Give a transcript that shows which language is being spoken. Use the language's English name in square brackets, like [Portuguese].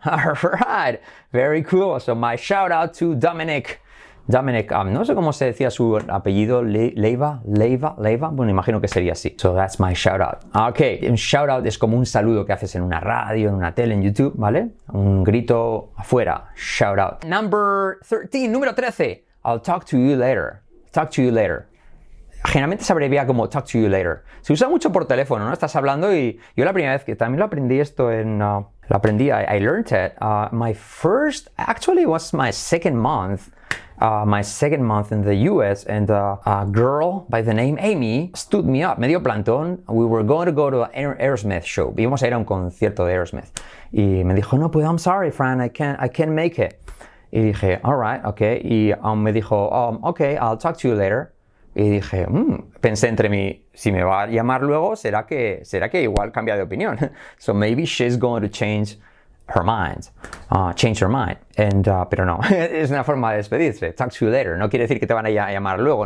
[English] Alright, very cool. So, my shout out to Dominic. [Spanish] Dominic, no sé cómo se decía su apellido, Leiva. Bueno, imagino que sería así. [English] So, that's my shout out. [Spanish] Ok, un shout out es como un saludo que haces en una radio, en una tele, en YouTube, ¿vale? Un grito afuera, shout out. [English] Number 13, [Spanish] número 13. [English] I'll talk to you later. Talk to you later. [Spanish] generalmente se abrevia como [English] talk to you later. [Spanish] Se usa mucho por teléfono, ¿no? Estás hablando y yo la primera vez que también lo aprendí esto en... lo aprendí, [English] I learned it. My first, actually was my second month. My second month in the US, and a girl by the name Amy stood me up, [Spanish] medio plantón. [English] We were going to go to an Aerosmith show. [Spanish] Íbamos a ir a un concierto de Aerosmith. Y me dijo, no, pues [English] I'm sorry, Fran, I can't make it. [Spanish] Y dije, [English] all right, okay. [Spanish] Y me dijo, [English] okay, I'll talk to you later. [Spanish] Y dije, pensé entre mí, si me va a llamar luego, será que igual cambia de opinión. [English] So maybe she's going to change her mind. Change her mind. [Spanish] And, pero no, es una forma de despedirse. [English] Talk to you later. [Spanish] No quiere decir que te van a llamar luego.